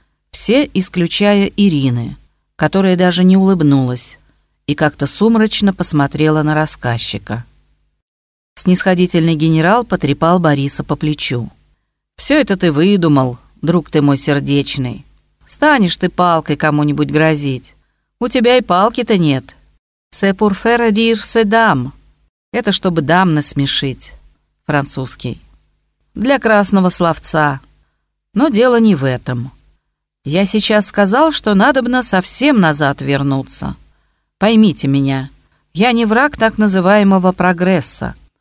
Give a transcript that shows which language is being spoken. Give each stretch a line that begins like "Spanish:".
Russian: Все, исключая Ирины, которая даже не улыбнулась и как-то сумрачно посмотрела на рассказчика. Снисходительный генерал потрепал Бориса по плечу. «Все это ты выдумал, друг ты мой сердечный. Станешь ты палкой кому-нибудь грозить. У тебя и палки-то нет.
French: C'est pour faire rire ces dames.
Russian: Это чтобы дам насмешить». Французский. «Для красного словца. Но дело не в этом. Я сейчас сказал, что надобно совсем назад вернуться. Поймите меня, я не враг так называемого прогресса.